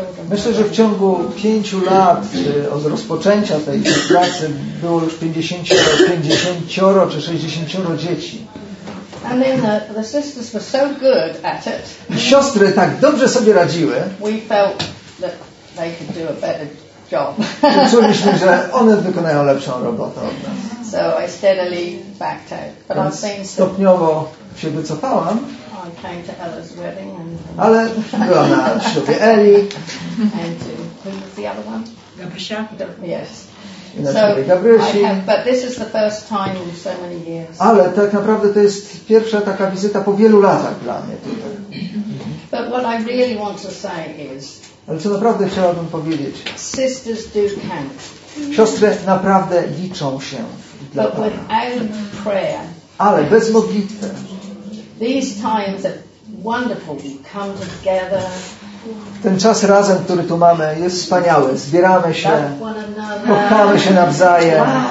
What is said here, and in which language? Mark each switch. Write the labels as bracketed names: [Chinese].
[Polish] Myślę, że w ciągu 5 lat od rozpoczęcia tej pracy było już 50 czy 60 dzieci. [English] And then the sisters were so good at it. [Polish] Siostry tak dobrze sobie radziły. [English] We felt that they could do a better job. [Polish] Czuliśmy, że one wykonają lepszą robotę od nas. [English] So I steadily backed out. But I've seen some... [Polish] Stopniowo się wycofałam. [English] I came to Ella's wedding and [Polish] Ale była na ślubie Eli. [English] And who was the other one? [Polish] Gabrysia. I so Gabrysi. [English] But this is the first time in so many years. [Polish] Ale tak naprawdę to jest pierwsza taka wizyta po wielu latach dla mnie tutaj. [English] But what I really want to say is. [Polish] Ale co naprawdę chciałabym powiedzieć? [English] Sisters do count. [Polish] Siostry naprawdę liczą się dla Pana. [English] But without prayer. [Polish] Ale bez modlitwy. [English] These times are wonderful. We come together. [Polish] Ten czas razem, który tu mamy, jest wspaniały. Zbieramy się, kochamy się nawzajem.